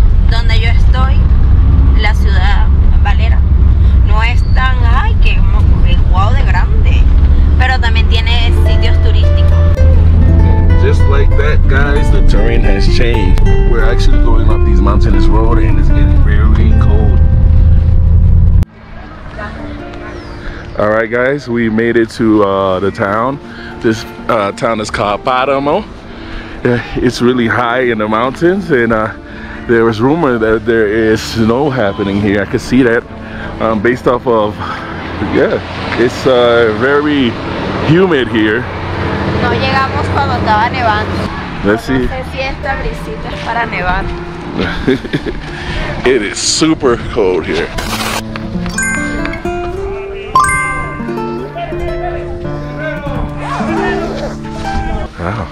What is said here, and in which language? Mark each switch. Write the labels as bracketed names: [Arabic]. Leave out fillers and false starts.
[Spanish] Donde yo estoy, la ciudad Valera, no es tan, ay, que wow, de grande. Pero también tiene sitios turísticos. [English] Just like that, guys, the terrain has changed. We're actually going up these mountainous roads and it's getting very cold. All right, guys, we made it to the town. This town is called Paramo. It's really high in the mountains, and there was rumor that there is snow happening here. I could see that based off of, yeah, it's very humid here. [Spanish] No llegamos cuando estaba nevando. [English] Let's see. [Spanish] No sé si esta brisita es para nevar. [English] It is super cold here. Wow.